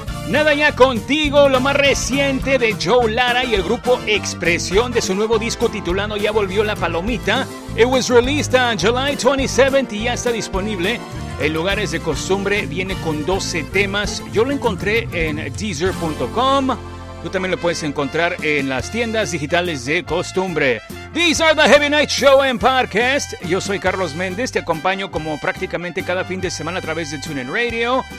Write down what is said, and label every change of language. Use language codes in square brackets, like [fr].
[es] Nada ya contigo, lo más reciente de Joe Lara y el grupo Expresión de su nuevo disco titulado Ya Volvió la Palomita. [en] It was released on July 27th [es] y ya está disponible. En lugares de costumbre viene con 12 temas. Yo lo encontré en Deezer.com. Tú también lo puedes encontrar en las tiendas digitales de costumbre. [en] These are the Heavy Night Show and Podcast. [es] Yo soy Carlos Méndez, te acompaño como prácticamente cada fin de semana a través de TuneIn Radio.